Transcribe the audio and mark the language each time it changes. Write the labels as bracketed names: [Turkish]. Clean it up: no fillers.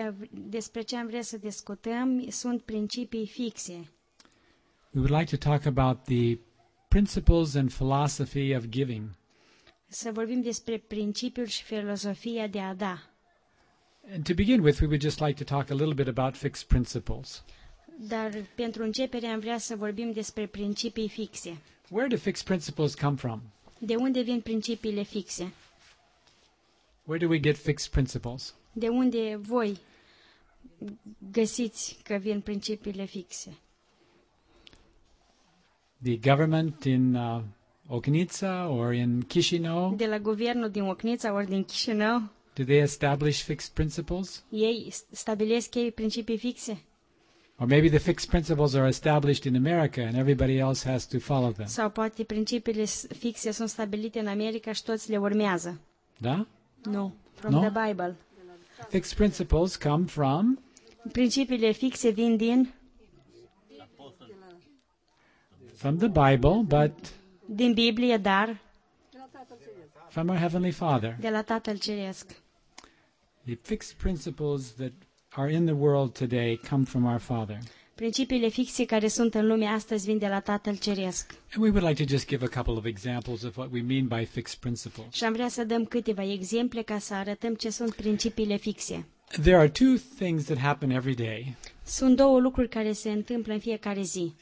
[Romanian] Despre ce am vrea să discutăm sunt principii fixe. [English] We would like to talk about the principles and philosophy of giving. [Romanian] Să vorbim despre principiul și filozofia de a da. [English] And to begin with, we would just like to talk a little bit about fixed principles. [Romanian] Dar pentru începere am vrea să vorbim despre principii fixe. [English] Where do fixed principles come from? [Romanian] De unde vin principiile fixe? [English] Where do we get fixed principles? [Romanian] De unde voi găsiți că vin principiile fixe? [English] The government in Ochnița or in Chișinău? [Romanian] De la guvernul din Ochnița ori din Chișinău? [English] Do they establish fixed principles? [Romanian] Ei stabilesc ei principii fixe? [English] Or maybe the fixed principles are established in America and everybody else has to follow them. [Romanian] Sau poate principiile fixe sunt stabilite în America și toți le urmează. Da? [English] Nu. From the Bible. Fixed principles come from? [Romanian] Principiile fixe vin din? [English] From the Bible, but [Romanian] din Biblie, dar [English] from our Heavenly Father. [Romanian] De la Tatăl Ceresc. [English] The fixed principles that are in the world today come from our Father. [Romanian] Principiile fixe care sunt în lume astăzi vin de la Tatăl Ceresc. [English] And we would like to just give a couple of examples of what we mean by fixed principles. [Romanian] Și am vrea să dăm câteva exemple ca să arătăm ce sunt principiile fixe. [English] There are two things that happen every day. [Romanian] Sunt două lucruri care se întâmplă în fiecare zi.